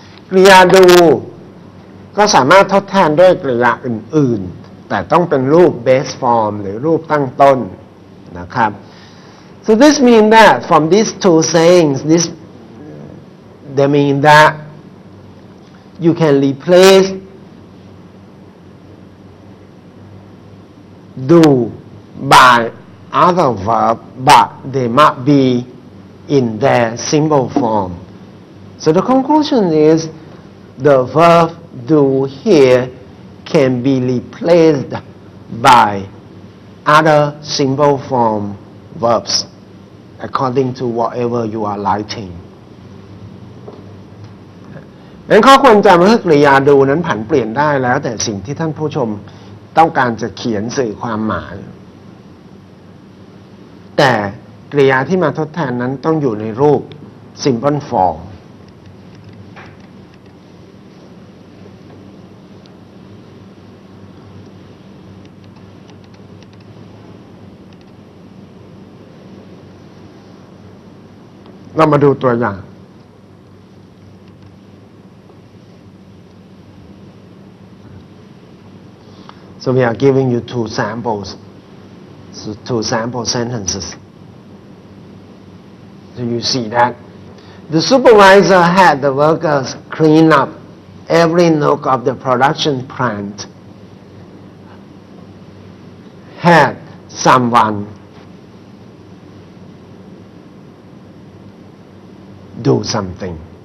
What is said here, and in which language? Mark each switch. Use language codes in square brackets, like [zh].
[th] กริยา do ก็สามารถทดแทนด้วยกริยาอื่นๆแต่ต้องเป็นรูป base form หรือรูปตั้งต้นนะครับ [en] so this means that from these two sayings this they mean thatYou can replace do by other verb, but they must be in their simple form. So the conclusion is the verb do here can be replaced by other simple form verbs according to whatever you are writing. [th] ดังนั้นข้อควรจำเมื่อกริยาดูนั้นผันเปลี่ยนได้แล้วแต่สิ่งที่ท่านผู้ชมต้องการจะเขียนสื่อความหมาย แต่กริยาที่มาทดแทนนั้นต้องอยู่ในรูป simple form เรามาดูตัวอย่าง [en] So we are giving you two samples, two sample sentences. So you see that the supervisor had the workers clean up every nook of the production plant, had someone do something.